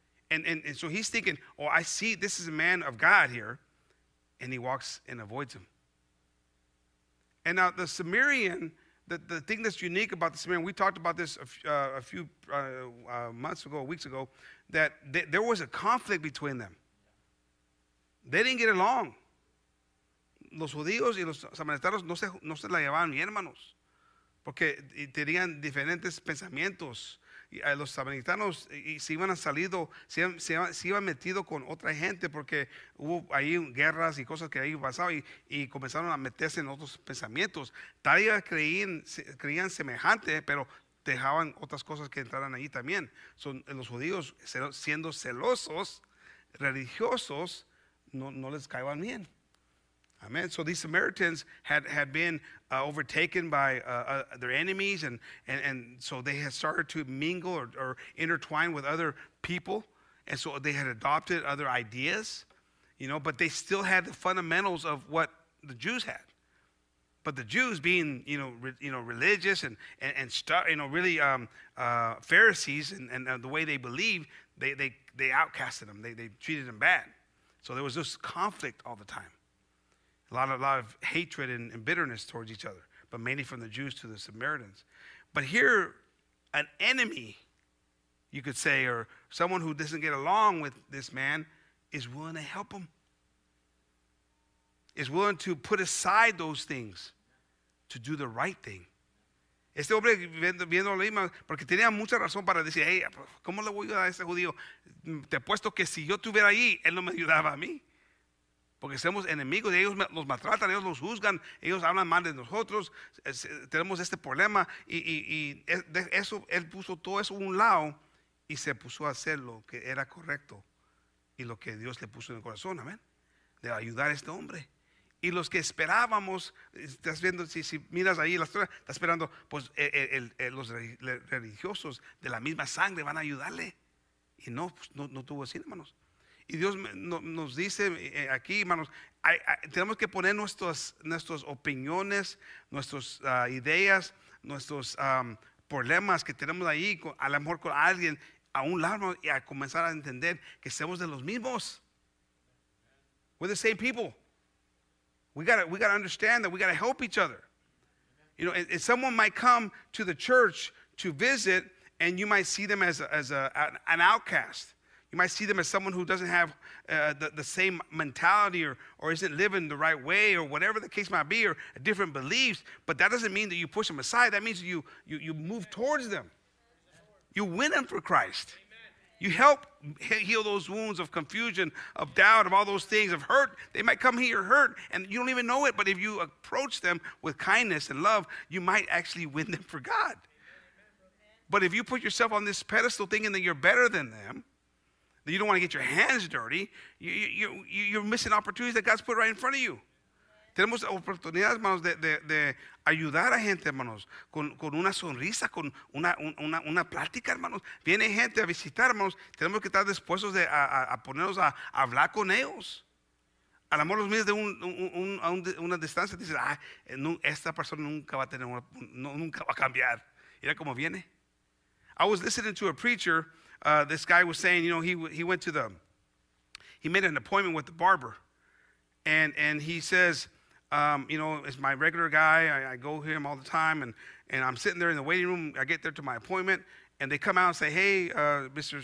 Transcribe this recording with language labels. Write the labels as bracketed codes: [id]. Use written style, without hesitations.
[en] And so he's thinking, oh, I see this is a man of God here. And he walks and avoids him. And now the Samaritan, the thing that's unique about the Samaritan, we talked about this weeks ago, that there was a conflict between them. They didn't get along. [es] Los judíos y los samaritanos no se la llevaban bien, hermanos, porque tenían diferentes pensamientos. Los samaritanos se iban metido con otra gente porque hubo ahí guerras y cosas que ahí pasaban y comenzaron a meterse en otros pensamientos. Tal vez creían semejante, pero dejaban otras cosas que entraran allí también. Son los judíos siendo celosos, religiosos, no les caían bien. Amen. [en] So these Samaritans had been overtaken by their enemies, and so they had started to mingle or intertwine with other people, and so they had adopted other ideas, you know, but they still had the fundamentals of what the Jews had. But the Jews being, you know, religious and stuff, you know, really Pharisees and the way they believed, they outcasted them. They treated them bad. So there was this conflict all the time. A lot of hatred and bitterness towards each other, but mainly from the Jews to the Samaritans. But here, an enemy, you could say, or someone who doesn't get along with this man, is willing to help him. Is willing to put aside those things to do the right thing. [es] Este hombre viendo lo mismo, porque tenía mucha razón para decir, hey, ¿cómo le voy a ayudar a ese judío? Te apuesto que si yo estuviera ahí, él no me ayudaba a mí. Porque somos enemigos, ellos los maltratan, ellos los juzgan, ellos hablan mal de nosotros, tenemos este problema. Y eso, él puso todo eso a un lado y se puso a hacer lo que era correcto y lo que Dios le puso en el corazón, amén, de ayudar a este hombre. Y los que esperábamos, estás viendo, si miras ahí la historia, está esperando, pues los religiosos de la misma sangre van a ayudarle. Y no tuvo así, hermanos. Y Dios nos dice aquí, hermanos, tenemos que poner nuestras opiniones, nuestras ideas, nuestros problemas que tenemos ahí, a lo mejor con alguien, a un lado y a comenzar a entender que somos de los mismos. [en] We're the same people. We gotta understand that we gotta help each other. You know, if someone might come to the church to visit, and you might see them as an outcast. You might see them as someone who doesn't have the same mentality or isn't living the right way or whatever the case might be or different beliefs. But that doesn't mean that you push them aside. That means you move towards them. You win them for Christ. You help heal those wounds of confusion, of doubt, of all those things, of hurt. They might come here hurt and you don't even know it. But if you approach them with kindness and love, you might actually win them for God. But if you put yourself on this pedestal thinking that you're better than them, you don't want to get your hands dirty. You're missing opportunities that God's put right in front of you. [es] Tenemos oportunidades, hermanos, de ayudar a gente, hermanos, con una sonrisa, con una plática, hermanos. Viene gente a visitar, hermanos. Tenemos que estar dispuestos a ponernos a hablar con ellos. A lo mejor los miras de una distancia y dices, no, esta persona nunca va a tener, nunca va a cambiar. Mira cómo viene. [en] I was listening to a preacher. This guy was saying, you know, he went to the, he made an appointment with the barber, and he says, you know, it's my regular guy. I go to him all the time, and I'm sitting there in the waiting room. I get there to my appointment, and they come out and say, hey, Mr.